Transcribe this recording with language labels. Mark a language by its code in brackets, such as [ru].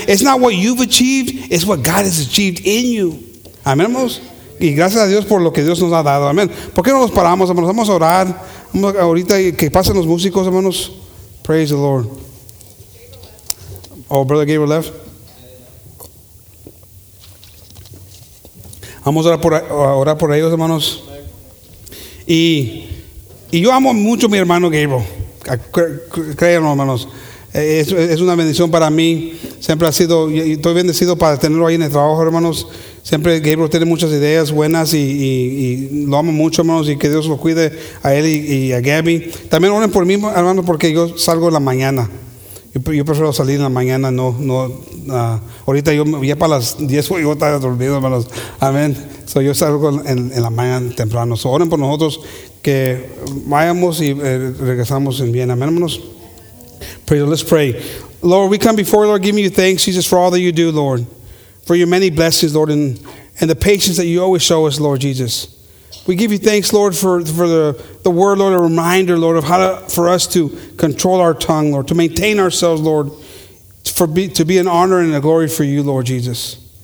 [en] It's not what you've achieved, it's what God has achieved in you. [es] Amén, hermanos. Y gracias a Dios por lo que Dios nos ha dado. Amén. ¿Por qué no nos paramos, hermanos? Vamos a orar. Vamos a, ahorita que pasen los músicos, hermanos. [en] Praise the Lord. Oh, Brother Gabriel left. [es] Vamos a orar por ellos, hermanos. Y yo amo mucho a mi hermano Gabriel. Créanlo, hermanos. Es una bendición para mí. Siempre ha sido, estoy bendecido para tenerlo ahí en el trabajo, hermanos. Siempre Gabriel tiene muchas ideas buenas y lo amo mucho, hermanos, y que Dios lo cuide a él y a Gabby. También oren por mí, hermanos, porque yo salgo en la mañana. Yo prefiero salir en la mañana, no, ahorita yo ya para las 10 voy a estar dormido, hermanos. Amén. So yo salgo en la mañana temprano. So oren por nosotros que vayamos y regresamos en bien. Amén, hermanos. Pero [en] let's pray. Lord, we come before you, Lord, giving you thanks, Jesus, for all that you do, Lord. For your many blessings, Lord, and the patience that you always show us, Lord Jesus. We give you thanks, Lord, for the word, Lord, a reminder, Lord, of how to, for us to control our tongue, Lord, to maintain ourselves, Lord, to be an honor and a glory for you, Lord Jesus.